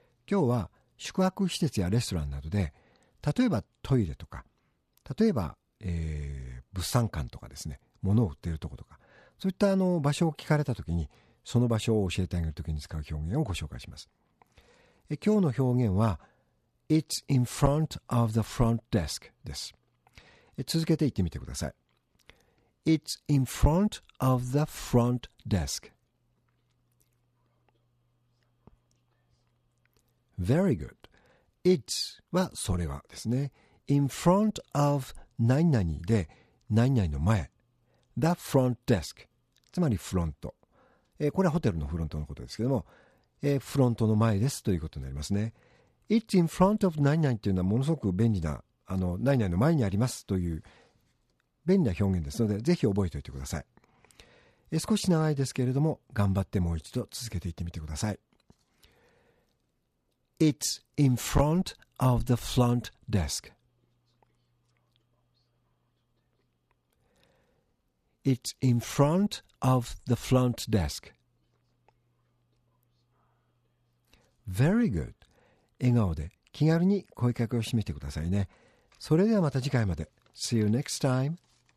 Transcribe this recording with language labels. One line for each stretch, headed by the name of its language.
Japanese: 今日は宿泊施設やレストランなどで、例えばトイレとか、例えば、物産館とかですね、物を売っているところとか、そういったあの場所を聞かれたときに、その場所を教えてあげるときに使う表現をご紹介します。今日の表現は、
English: It's in front of the front desk
Japanese: です。続けて言ってみてください。
English: It's in front of the front desk. Very good. It's
Japanese: はそれはですね。
English: In front of
Japanese: 何々で、何々の前。
English: The front desk.
Japanese: つまりフロント、これはホテルのフロントのことですけども、フロントの前ですということになりますね。
English: It's in front of
Japanese: 何々というのはものすごく便利な何々の前にありますという便利な表現ですので、ぜひ覚えておいてください。少し長いですけれども、頑張ってもう一度続けていってみてください。
English: It's in front of the front deskIt's in front of the front desk. Very good.
Japanese: 笑顔で気軽に声かけをしてみてくださいね。それではまた次回まで。
English: See you next time.